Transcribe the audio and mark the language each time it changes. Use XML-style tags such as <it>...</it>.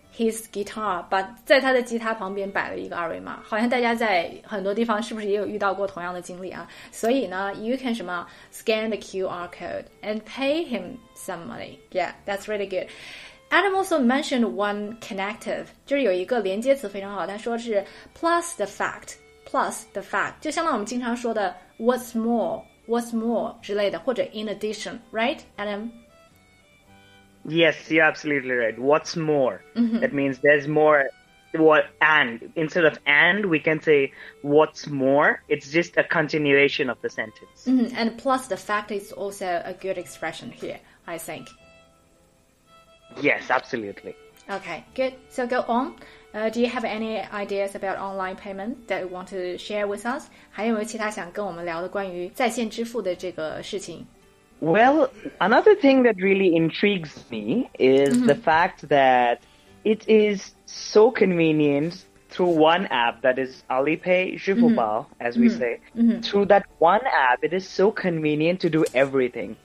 <zh>his guitar， 把在他的吉他旁边摆了一个二维码，好像大家在很多地方是不是也有遇到过同样的经历啊？所以呢</zh> <en>，you can</en> <zh>什么</zh> <en>scan the QR code and pay him some money. Yeah, that's really good. Adam also mentioned one connective，</en> <zh>就是有一个连接词非常好，他说是</zh> <en>plus the fact， plus the fact，</en> <zh>就相当于我们经常说的</zh> <en>what's more， what's more</en> <zh>之类的，或者</zh> <en>in addition， right， Adam？ Yes, you're absolutely right. What's more?、 Mm-hmm. That means there's more. What, and instead of and, we can say what's more. It's just a continuation of the sentence.、 Mm-hmm. And plus the fact is also a good expression here, I think. Yes, absolutely. Okay, good. So go on.、do you have any ideas about online payment that you want to share with us?</en> <zh>还有没有其他想跟我们聊的关于在线支付的这个事情？</zh> <en>Well, another thing that really intrigues me is、mm-hmm. the fact that it is so convenient through one app, that is Alipay, Zhihubao,、 mm-hmm. as we、 mm-hmm. say.、 Mm-hmm. Through that one app, it is so convenient to do everything.、</en>